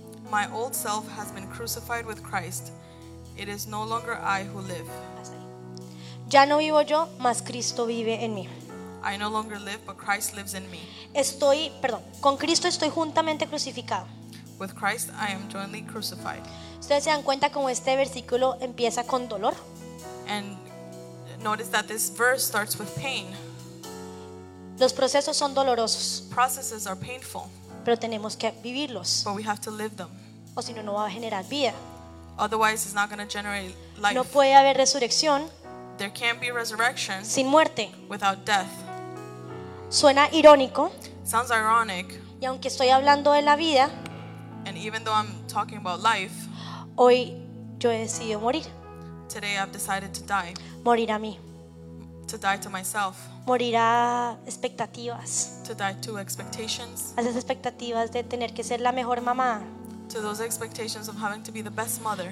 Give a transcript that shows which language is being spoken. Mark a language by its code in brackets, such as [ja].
[en] My old self has been crucified with Christ. It is no longer I who live. [es] Ya no vivo yo, mas Cristo vive en mí. [en] I no longer live, but Christ lives in me. [es] Con Cristo estoy juntamente crucificado. [en] With Christ I am jointly crucified. [es] ¿Ustedes se dan cuenta cómo este versículo empieza con dolor? [en] And notice that this verse starts with pain. [es] Los procesos son dolorosos. [en] Processes are painful. [es] Pero tenemos que vivirlos. [en] But we have to live them. [es] O si no, no va a generar vida. [en] Otherwise, it's not going to generate life. [es] No puede haber resurrección. [en] There can't be resurrection. [es] Sin muerte. [en] Without death. [es] Suena irónico. [en] Sounds ironic. [es] Y aunque estoy hablando de la vida, [en] and even though I'm talking about life, [es] hoy yo he decidido morir. [en] Today I've decided to die. [es] Morir a mí. [en] To die to myself. [es] Morir a expectativas. [en] To die to expectations. [es] A esas expectativas de tener que ser la mejor mamá. [en] To those expectations of having to be the best mother.